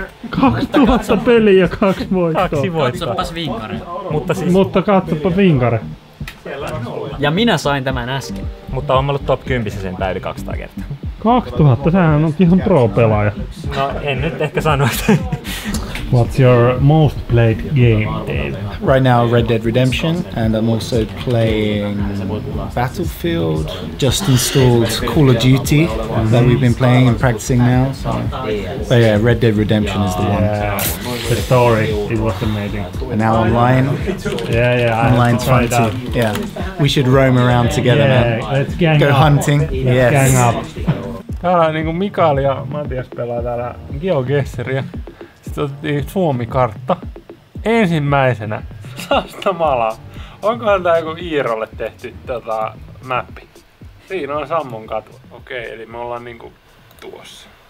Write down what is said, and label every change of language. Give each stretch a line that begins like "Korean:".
Finnish: 2000 peliä ja 2 voittoa. 2 voittoa. Katsopas vinkare. Mutta katsopa vinkare. Ja minä sain tämän äsken. Mutta on ollut top 10 sen päivä 200 kertaa. 2000, sehän on ihan pro-pelaaja. No en nyt ehkä sano.
English: What's your most played game, Dave? Right now, Red Dead Redemption, and I'm also playing Battlefield. Just installed Call of Duty that we've been playing and practicing now. But yeah, Red Dead Redemption is the one. The story, it was amazing. And now online. Yeah. Online trying to. Yeah. We should roam around together, yeah, man. Let's gang go up. Hunting. Let's yes. Gang up.
Finnish: Täällä niinku Mikael ja Matias pelaa täällä GeoGuessria. Sitten otettiin Suomi-kartta. Ensimmäisenä. Sastamala. Onkohan tää joku Iirolle tehty mappi? Siinä on Sammon katu. Okei, eli me ollaan niinku tuossa.